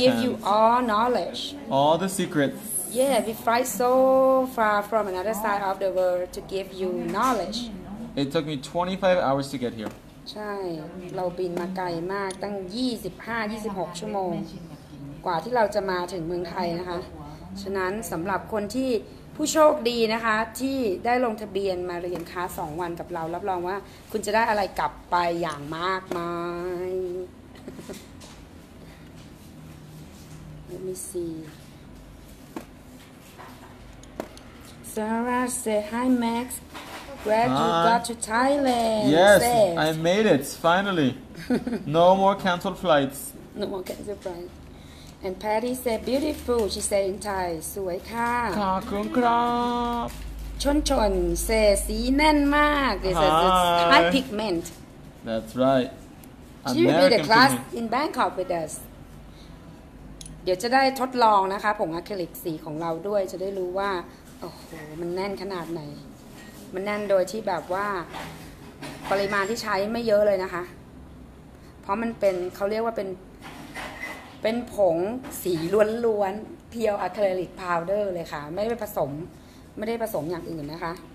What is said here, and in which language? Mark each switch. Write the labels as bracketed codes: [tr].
[en] We give you all knowledge. All the secrets. Yeah, we fly so far from another side of the world to give you knowledge. It took me 25 hours to get here. [th] ใช่เราบินมาไกลมากตั้ง25-26ชั่วโมงกว่าที่เราจะมาถึงเมืองไทยนะคะฉะนั้นสำหรับคนที่ผู้โชคดีนะคะที่ได้ลงทะเบียนมาเรียนคลาส2วันกับเรารับรองว่าคุณจะได้อะไรกลับไปอย่างมากมาย [en] Let me see Sarah say hi Max Glad you got to Thailand Yes I made it finally No more cancelled flights No more cancelled flights And Patty said, beautiful. She said in Thai, [th] สวยค่ะ ขอบคุณครับ [en] ชนชน say, [th] สีแน่นมาก [en] This is high pigment. That's right. She will be the class in Bangkok with us. [th] เดี๋ยวจะได้ทดลองนะคะผงอะคริลิกสีของเราด้วยจะได้รู้ว่าโอ้โหมันแน่นขนาดไหนมันแน่นโดยที่แบบว่าปริมาณที่ใช้ไม่เยอะเลยนะคะเพราะมันเป็นเขาเรียกว่าเป็นผงสีล้วนๆเพียวอะคริลิกพาวเดอร์เลยค่ะไม่ได้ผสมไม่ได้ผสมอย่างอื่นนะคะ